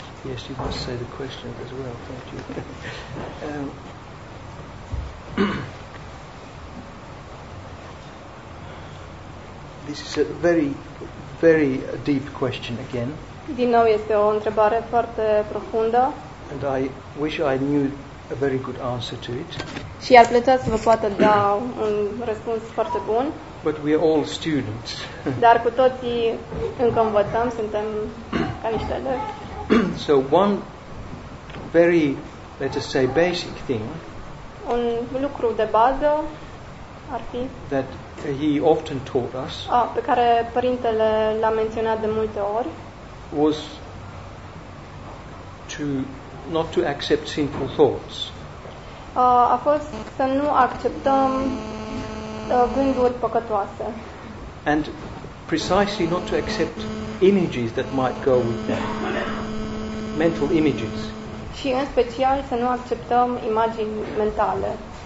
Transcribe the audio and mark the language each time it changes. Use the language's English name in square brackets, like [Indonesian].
[English] Yes, you must say the question as well, thank you. This is a very, very deep question again. [Romanian] Din nou este o întrebare foarte profundă. [English] And I wish I knew a very good answer to it. [Romanian] Și ar plăcea să vă poată da un răspuns foarte bun. [English] But we are all students. [Romanian] Dar cu toții încă învățăm, suntem ca niște elevi. [English] So one very, let us say, basic thing. [Romanian] Un lucru de bază ar fi. [English] That he often taught us. [Romanian] Pe care părintele l-a menționat de multe ori. [English] Was to not to accept sinful thoughts. [Romanian] A fost să nu acceptăm gânduri păcătoase. [English] And precisely not to accept images that might go with them. Mental images. [Romanian] Și în special să nu acceptăm imagini mentale.